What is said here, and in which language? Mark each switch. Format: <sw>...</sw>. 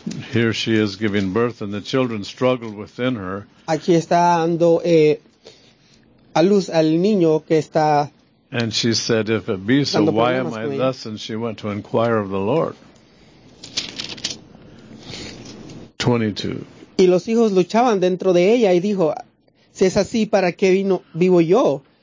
<en>Here she is giving birth and the children struggled within her.</en> <es>Aquí está dando a luz al niño que está.</es> <en>And she said, if it be so, why am I thus? And she went to inquire of the Lord. 22.</en> <es>Y los hijos luchaban dentro de ella y dijo, si es así, ¿para qué vivo yo?</es>